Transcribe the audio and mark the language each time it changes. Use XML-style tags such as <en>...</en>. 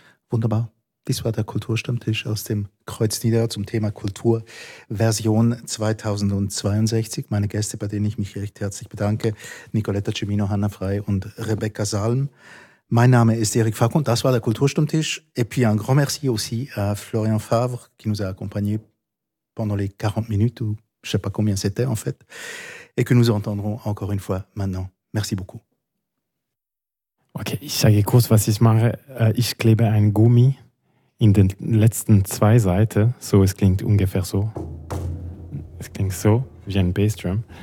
<de>Wunderbar. Dies war der Kulturstammtisch aus dem Kreuznieder zum Thema Kulturversion 2062. Meine Gäste, bei denen ich mich recht herzlich bedanke, Nicoletta Cimino, Hanna Frey und Rebecca Salm. Mein Name ist Eric Facon. Das war der Kulturstammtisch.</de> <fr>Et puis un grand merci aussi à Florian Favre, qui nous a accompagné pendant les 40 minutes, ou je sais pas combien c'était en fait. Et que nous entendrons encore une fois maintenant. Merci beaucoup.</fr> <de>Okay, ich sage kurz, was ich mache. Ich klebe ein Gummi in den letzten zwei Seiten. So, es klingt ungefähr so. Es klingt so wie ein Bassdrum.</de>